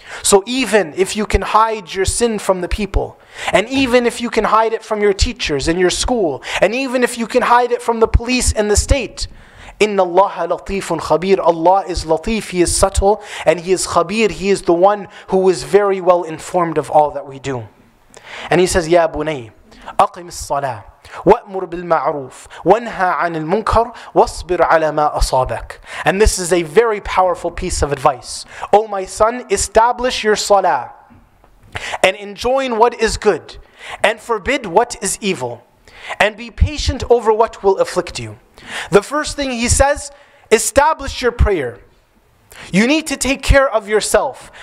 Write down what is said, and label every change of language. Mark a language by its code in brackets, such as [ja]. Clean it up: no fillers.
[en] So even if you can hide your sin from the people, and even if you can hide it from your teachers in your school, and even if you can hide it from the police and the state, [ar] إِنَّ اللَّهَ لَطِيفٌ خَبِيرٌ. [en] Allah is latif, He is subtle, and He is khabir, He is the one who is very well informed of all that we do. And he says, [ar] يَا بُنَيَّ أَقِمِ الصَّلَاةِ وَأْمُرْ بِالْمَعْرُوفِ وَانْهَى عَنِ الْمُنْكَرِ وَاصْبِرْ عَلَى مَا أَصَابَكَ. [en] And this is a very powerful piece of advice. O my son, establish your salah and enjoin what is good and forbid what is evil and be patient over what will afflict you. The first thing he says, establish your prayer. You need to take care of yourself.